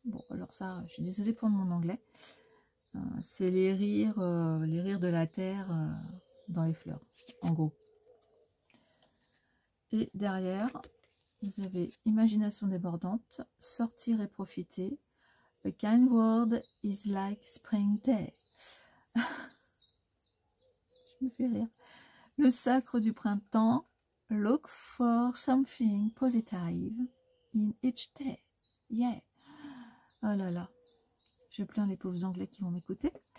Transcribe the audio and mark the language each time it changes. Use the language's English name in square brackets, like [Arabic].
[French] Bon, alors ça, je suis désolée pour mon anglais. C'est les rires de la terre dans les fleurs, en gros. Et derrière, vous avez Imagination débordante, Sortir et profiter. [English] A kind world is like spring day. [French] Je me fais rire. Le sacre du printemps. [English] Look for something positive in each day. Yeah. [French] Oh là là. Je plains les pauvres anglais qui vont m'écouter.